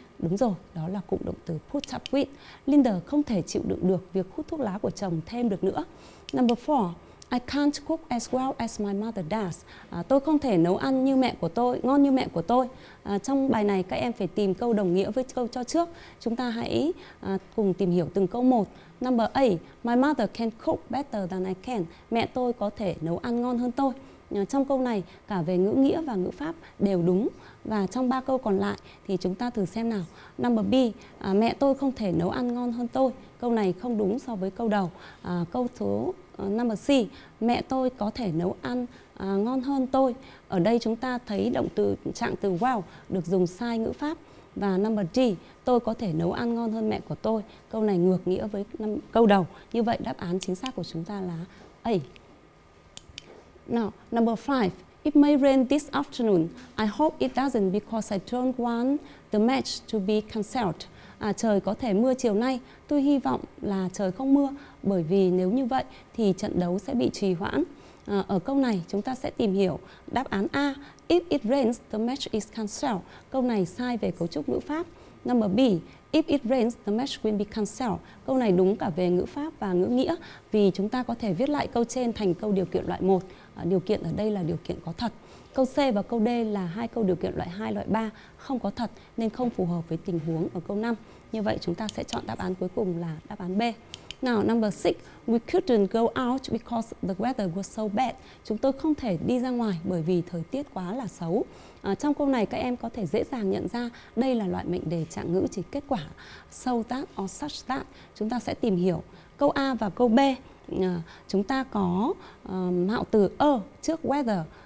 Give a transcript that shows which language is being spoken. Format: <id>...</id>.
<vi>Đúng rồi, đó là cụm động từ put up with. Linda không thể chịu đựng được việc hút thuốc lá của chồng thêm được nữa.</vi> <en>Number 4. I can't cook as well as my mother does.</en> <vi>Tôi không thể nấu ăn như mẹ của tôi, ngon như mẹ của tôi. Trong bài này các em phải tìm câu đồng nghĩa với câu cho trước. Chúng ta hãy cùng tìm hiểu từng câu một.</vi> <en>Number 8. My mother can cook better than I can.</en> <vi>Mẹ tôi có thể nấu ăn ngon hơn tôi. Trong câu này cả về ngữ nghĩa và ngữ pháp đều đúng. Và trong ba câu còn lại thì chúng ta thử xem nào. Number B. Mẹ tôi không thể nấu ăn ngon hơn tôi. Câu này không đúng so với câu đầu. Câu số number C. Mẹ tôi có thể nấu ăn ngon hơn tôi. Ở đây chúng ta thấy động từ trạng từ well được dùng sai ngữ pháp. Và number D. Tôi có thể nấu ăn ngon hơn mẹ của tôi. Câu này ngược nghĩa với câu đầu. Như vậy đáp án chính xác của chúng ta là A.</vi> <en>Now, number 5. It may rain this afternoon. I hope it doesn't because I don't want the match to be cancelled.</en> <vi>Trời có thể mưa chiều nay. Tôi hy vọng là trời không mưa bởi vì nếu như vậy thì trận đấu sẽ bị trì hoãn. Ở câu này chúng ta sẽ tìm hiểu đáp án A.</vi> <en>If it rains, the match is cancelled.</en> <vi>Câu này sai về cấu trúc ngữ pháp. Number B.</vi> <en>If it rains, the match will be cancelled.</en> <vi>Câu này đúng cả về ngữ pháp và ngữ nghĩa vì chúng ta có thể viết lại câu trên thành câu điều kiện loại 1. Điều kiện ở đây là điều kiện có thật. Câu C và câu D là hai câu điều kiện loại 2, loại 3, không có thật nên không phù hợp với tình huống ở câu 5. Như vậy chúng ta sẽ chọn đáp án cuối cùng là đáp án B.</vi> <en>Now, number 6. We couldn't go out because the weather was so bad.</en> <vi>Chúng tôi không thể đi ra ngoài bởi vì thời tiết quá là xấu. Trong câu này các em có thể dễ dàng nhận ra đây là loại mệnh đề trạng ngữ chỉ kết quả. So that or such that. Chúng ta sẽ tìm hiểu câu A và câu B. Chúng ta có mạo từ trước weather.</vi>